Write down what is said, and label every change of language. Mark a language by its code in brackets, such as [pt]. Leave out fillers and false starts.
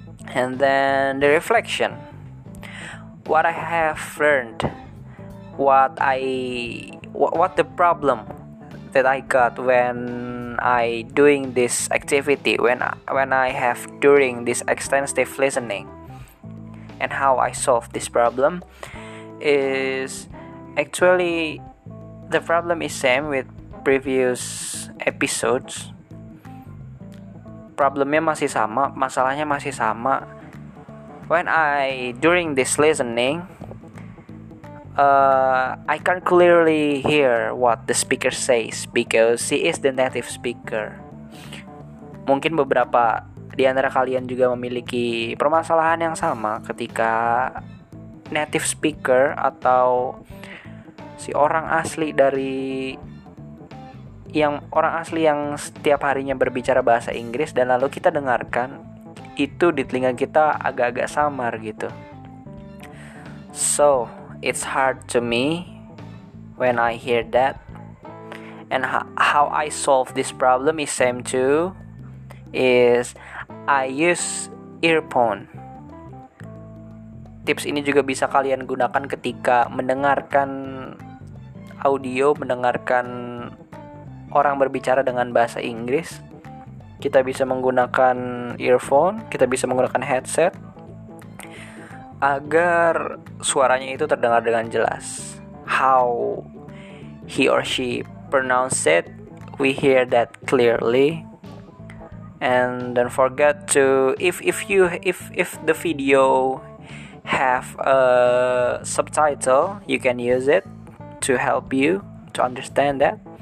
[en] And then the reflection. What I have learned, what the problem that I got when I doing this activity, when I have during this extensive listening, and how I solve this problem, is actually the problem is same with previous episodes. [id] Problemnya masih sama, masalahnya masih sama. [en] When I during this listening, I can't clearly hear what the speaker says because she is the native speaker. [id] Mungkin beberapa di antara kalian juga memiliki permasalahan yang sama ketika native speaker atau si orang asli dari yang orang asli yang setiap harinya berbicara bahasa Inggris dan lalu kita dengarkan itu di telinga kita agak-agak samar gitu. [en] So it's hard to me when I hear that, and how I solve this problem is same too, is I use earphone. [id] Tips ini juga bisa kalian gunakan ketika mendengarkan audio, mendengarkan orang berbicara dengan bahasa Inggris. Kita bisa menggunakan earphone, kita bisa menggunakan headset agar suaranya itu terdengar dengan jelas. [en] How he or she pronounce it, we hear that clearly. And don't forget to if the video have a subtitle, you can use it to help you to understand that.